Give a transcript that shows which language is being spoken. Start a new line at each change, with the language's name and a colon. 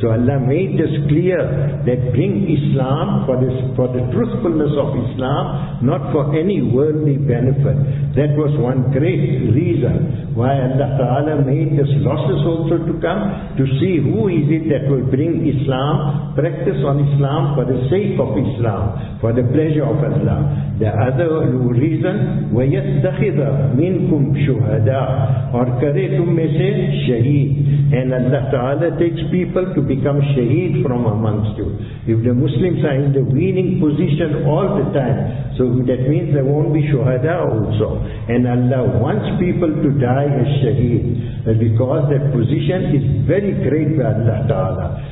English: So Allah made this clear, that bring Islam for the truthfulness of Islam, not for any worldly benefit. That was one great reason why Allah Ta'ala made this losses also to come, to see who is it that will bring Islam, practice on Islam for the sake of Islam, for the pleasure of Allah. The other reason,
Arabic: وَيَتَّخِذَ مِنْكُمْ شُهَدَىٰ
Urdu: اور کرے تم میں سے شہید.
English: And Allah Ta'ala takes people to become shaheed from amongst you. If the Muslims are in the winning position all the time, so that means there won't be shuhada also. And Allah wants people to die as shaheed, because that position is very great by Allah Ta'ala.